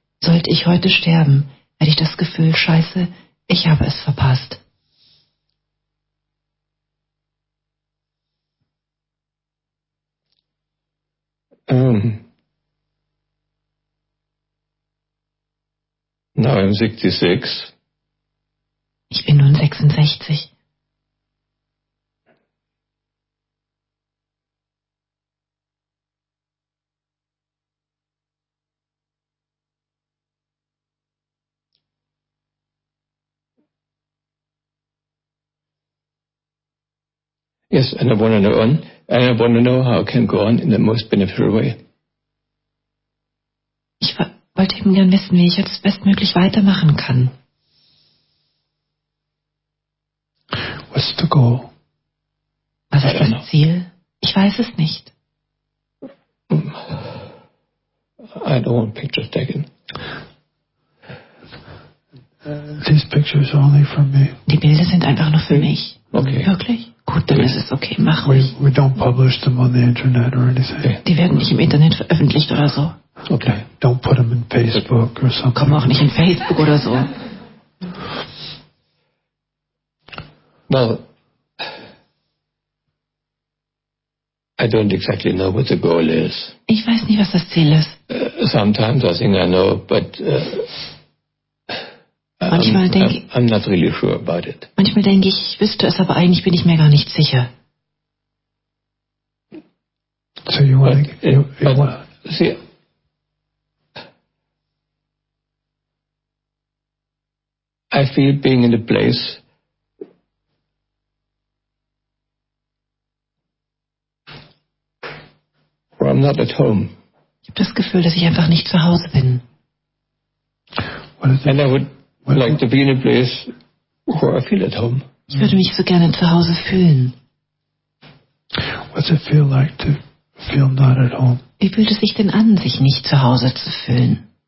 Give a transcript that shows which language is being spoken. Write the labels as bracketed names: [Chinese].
[German] Sollte ich heute sterben, hätte ich das Gefühl, Scheiße, ich habe es verpasst. [English] Now I'm 66. [German] Ich bin nun 66. [English] Yes, and I want to know on, and I want to know how it can go on in the most beneficial way. [German] Ich wollte eben gern wissen, wie ich jetzt bestmöglich weitermachen kann. [English] What's the goal? [German] Was ist das Ziel? Ich weiß es nicht. [English] I don't want pictures taken. These pictures are only for me. [German] Die Bilder sind einfach nur für mich. [English] Okay. [German] Wirklich? Gut, dann ist es okay, mach ruhig. [English] We don't publish them on the internet or anything. [German] Die werden nicht im Internet veröffentlicht oder so. [English] Okay. Don't put them in Facebook or something. [German] Komm auch nicht in Facebook oder so. [English] Well, I don't exactly know what the goal is. [German] Ich weiß nicht, was das Ziel ist. [English] Sometimes I think I know, but... I'm not really sure about it. [German] Manchmal denke ich, ich wüsste es, aber eigentlich bin ich mir gar nicht sicher. [English] So you want to see? I feel being in a place where I'm not at home. [German] Ich habe das Gefühl, dass ich einfach nicht zu Hause bin. [English] And I would like to be in a place where I feel at home. [German] Ich würde mich so gerne zu Hause fühlen. [English] What's it feel like to feel not at home? [German] Wie fühlt es sich denn an, sich nicht zu Hause zu fühlen?